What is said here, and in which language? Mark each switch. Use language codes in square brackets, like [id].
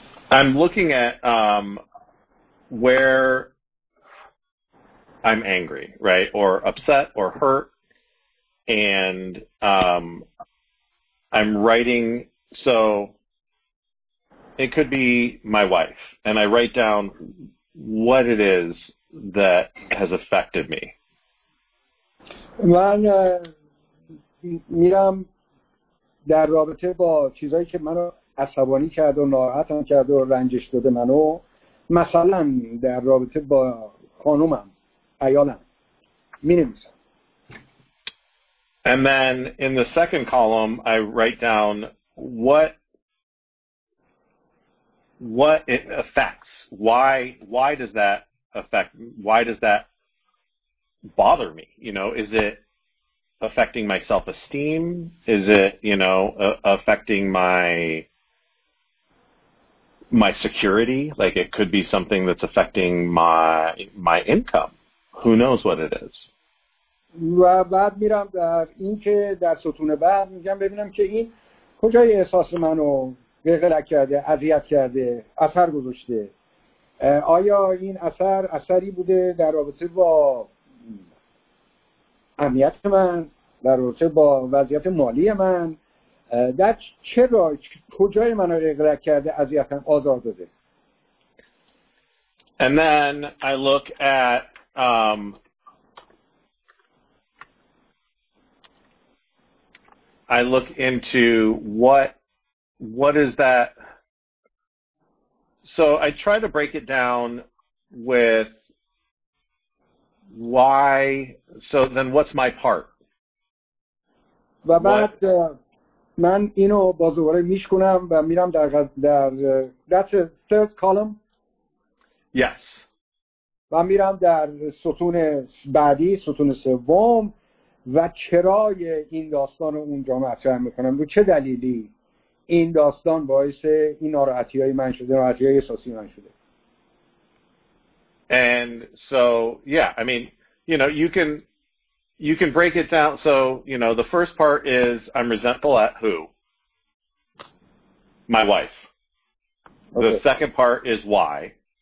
[en] I'm looking at where I'm angry, right, or upset or hurt, and I'm writing, so it could be my wife, and I write down what it is that has affected me. [fa] من میرم در رابطه با چیزایی که منو عصبانی کرد و ناراحتم کرد و رنجش داده منو، مثلا در رابطه با خانومم، عیالم می نویسم. [en] And then in the second column I write down what it affects. Why does that affect, why does that bother me? You know, is it affecting my self-esteem? Is it, you know, affecting my security? Like it could be something that's affecting my income. Who knows what it is? [fa] و بعد میرم در این که در ستون بعد میگم ببینم که این کجای احساس منو قلق کرده، اذیت کرده، اثر گذاشته. آیا این اثری بوده در رابطه با امنیت من، در رابطه با وضعیت مالی من، چرا کجای منو اغراق کرده، اذیتم آزار داده؟ [en] And then I look at I look into what is that. So I try to break it down with why. So then what's my part? [fa] و بعد من اینو با زوره میشکنم و میرم در [en] that's a third column. Yes. [fa] و میرم در ستون بعدی، ستون سوم و چرای این داستان رو اونجا مطرح میکنم. رو چه دلیلی این داستان باعث این ناراحتی های من شده، ناراحتی های احساسی من شده. [en] And so, yeah, I mean, you know, you can break it down. So, you know, the first part is I'm resentful at who? My wife. Okay. The second part is why?